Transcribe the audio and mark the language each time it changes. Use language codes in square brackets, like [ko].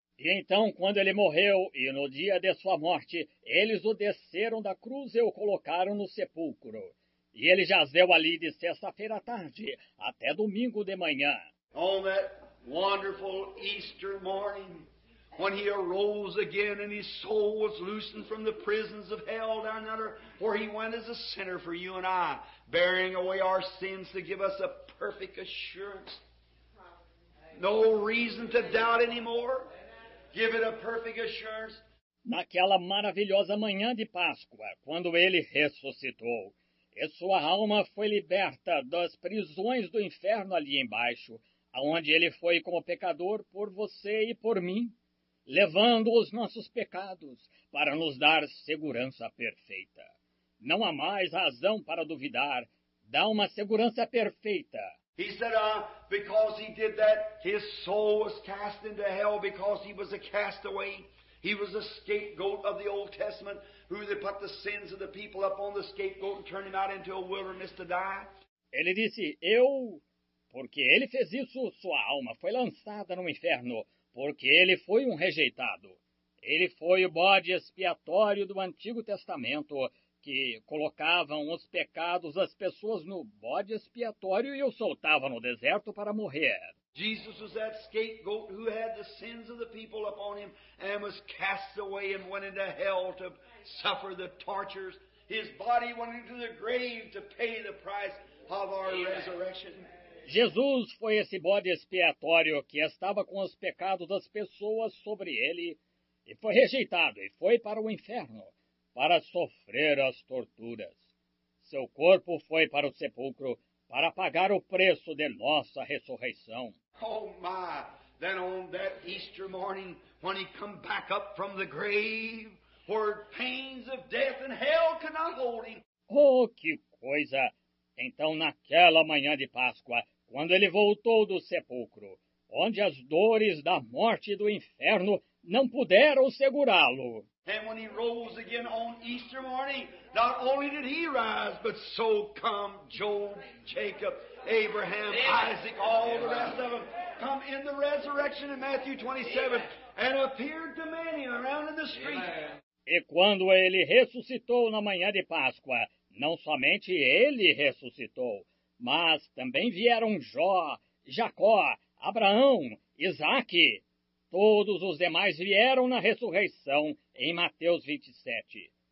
[pt] E então, quando ele morreu, e no dia de sua morte, eles o desceram da cruz e o colocaram no sepulcro. E ele jazeu ali de sexta-feira à tarde até domingo de manhã. [en] On that wonderful Easter morning, when he arose again and his soul was loosened from the prisons of hell down under, where he went as a sinner for you and I, bearing away our sins to give us a perfect assurance. No reason to doubt anymore. Give it a perfect assurance. [pt] Naquela maravilhosa manhã de Páscoa, quando ele ressuscitou, e sua alma foi liberta das prisões do inferno ali embaixo, aonde ele foi como pecador por você e por mim, levando os nossos pecados para nos dar segurança perfeita. Não há mais razão para duvidar. Dá uma segurança perfeita. [en] He said, because he did that, his soul was cast into hell because he was a castaway. He was a scapegoat of the Old Testament, who they put the sins of the people up on the scapegoat and turned him out into a wilderness to die. [pt] Ele disse, eu, porque ele fez isso, sua alma foi lançada no inferno, porque ele foi um rejeitado. Ele foi o bode expiatório do Antigo Testamento, que colocavam os pecados das pessoas no bode expiatório e o soltavam no deserto para morrer. [en] Jesus was that scapegoat who had the sins of the people upon him and was cast away and went into hell to suffer the tortures. His body went into the grave to pay the price of our resurrection. [pt] Jesus foi esse bode expiatório que estava com os pecados das pessoas sobre ele e foi rejeitado e foi para o inferno para sofrer as torturas. Seu corpo foi para o sepulcro para pagar o preço de nossa ressurreição. [en] Oh my, then on that Easter morning, when he come back up from the grave, where pains of death and hell cannot hold him. [pt] Oh, que coisa! Então, naquela manhã de Páscoa, quando ele voltou do sepulcro, onde as dores da morte e do inferno não puderam segurá-lo. [en] And when he rose again on Easter morning, not only did he rise, but so come Job, Jacob, Abraham, Isaac, all the rest of them. come in the resurrection in Matthew 27 and appeared to many around in the street. [pt] E quando ele ressuscitou na manhã de Páscoa, não somente ele ressuscitou, mas também vieram Jó, Jacó, Abraão, Isaque. Todos os demais vieram na ressurreição em Mateus 27.